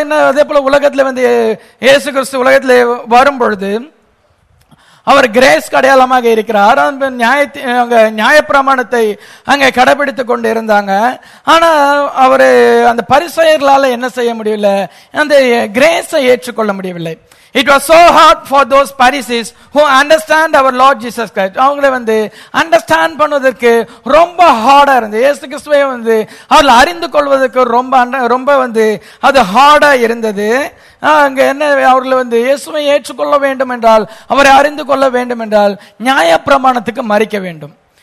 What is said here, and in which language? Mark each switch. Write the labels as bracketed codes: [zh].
[ta] அதே போல உலகத்துல வந்து இயேசு கிறிஸ்து உலகத்துல வரும் பொழுது அவர் கிரேஸ் அடையாளமாக இருக்கிறார். நியாயப்பிரமாணத்தை அங்கே கடைபிடித்துக் கொண்டு இருந்தாங்க. ஆனா அவரு அந்த பரிசெயர்களால என்ன செய்ய முடியவில்லை, அந்த கிரேஸை ஏற்றுக்கொள்ள முடியவில்லை. [en] It was so hard for those Pharisees who understand our Lord Jesus Christ. [ta] அவங்களே வந்து அண்டர்ஸ்டாண்ட் பண்ணுவதற்கு ரொம்ப ஹார்டா இருந்தது. இயேசு கிறிஸ்துவை வந்து அவர்கள் அறிந்து கொள்வதற்கு ரொம்ப வந்து அது ஹார்டா இருந்தது. அங்க என்ன, அவர்கள் வந்து இயேசுவை ஏற்றுக்கொள்ள வேண்டும் என்றால் அவரை அறிந்து கொள்ள வேண்டும் என்றால் நியாய பிரமாணத்துக்கு மறிக்க வேண்டும்.